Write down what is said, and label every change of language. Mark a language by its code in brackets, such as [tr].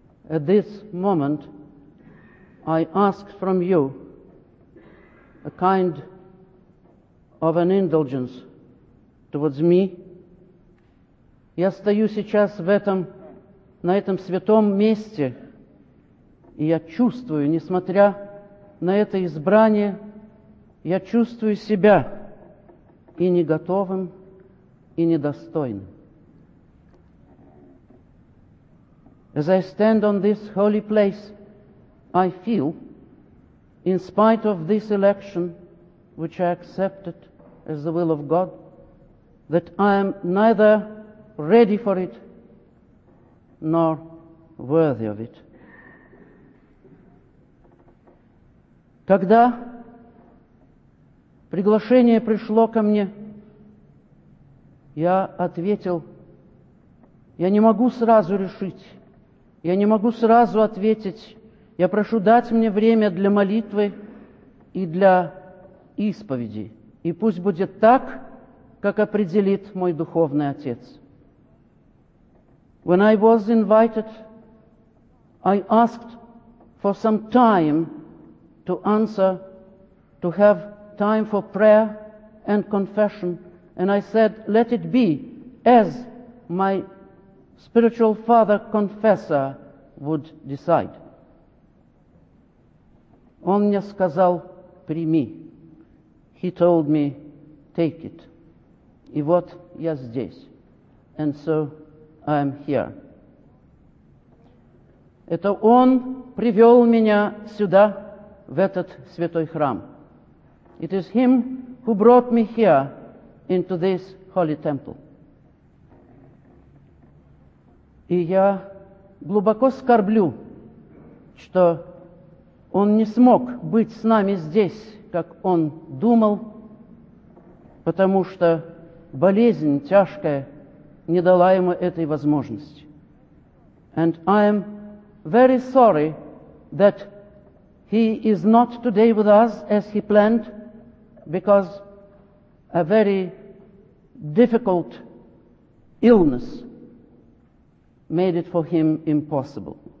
[en] At this moment, I ask from you a kind of an indulgence towards me. [ru] Я стою сейчас в этом, на этом святом месте, и я чувствую, несмотря на это избрание, я чувствую себя и не готовым, и недостойным. [en] As I stand on this holy place, I feel, in spite of this election, which I accepted as the will of God, that I am neither ready for it nor worthy of it. [ru] Когда приглашение пришло ко мне, я ответил, я не могу сразу решить. Я не могу сразу ответить. Я прошу дать мне время для молитвы и для исповеди. И пусть будет так, как определит мой духовный отец. [en] When I was invited, I asked for some time to answer, to have time for prayer and confession. And I said, let it be as my spiritual father confessor would decide. [ru] Он мне сказал, прими. [en] He told me, take it. [ru] И вот я здесь. [en] And so I am here. [ru] Это он привел меня сюда, в этот святой храм. [en] It is him who brought me here into this holy temple. [ru] И я глубоко скорблю, что он не смог быть с нами здесь, как он думал, потому что болезнь тяжкая не дала ему этой возможности. [en] And I am very sorry that he is not today with us as he planned, because a very difficult illness made it for him impossible.